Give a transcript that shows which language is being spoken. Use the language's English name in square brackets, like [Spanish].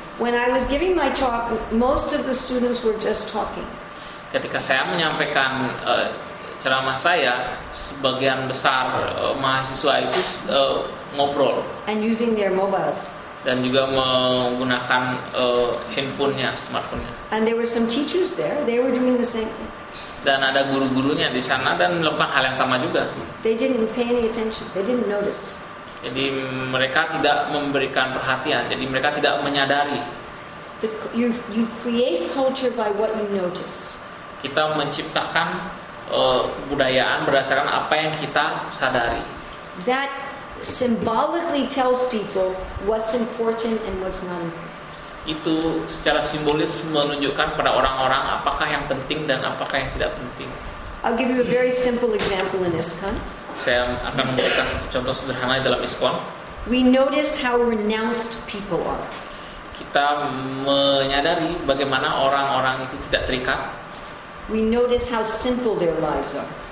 [English] When I was giving my talk, most of the students were just talking. [Indonesian] Ketika saya menyampaikan ceramah saya, sebagian besar mahasiswa itu ngobrol. [English] And using their mobiles. [Indonesian] Dan juga menggunakan handphonenya, smartphone-nya. [English] And there were some teachers there. They were doing the same thing. [Indonesian] Dan ada guru-gurunya di sana dan melakukan hal yang sama juga. [English] They didn't pay any attention. They didn't notice. [Indonesian] Jadi mereka tidak memberikan perhatian. Jadi mereka tidak menyadari. [English] You create culture by what you notice. [Indonesian] Kita menciptakan kebudayaan berdasarkan apa yang kita sadari. [English] That symbolically tells people what's important and what's not important. [Indonesian] Itu secara simbolis menunjukkan pada orang-orang apakah yang penting dan apakah yang tidak penting. [English] I'll give you a very simple example in ISKCON. [Indonesian] Saya akan memberikan satu contoh sederhana dalam ISKCON. [English] We notice how renounced people are. [Indonesian] Kita menyadari bagaimana orang-orang itu tidak terikat. [English] We notice how simple their lives are.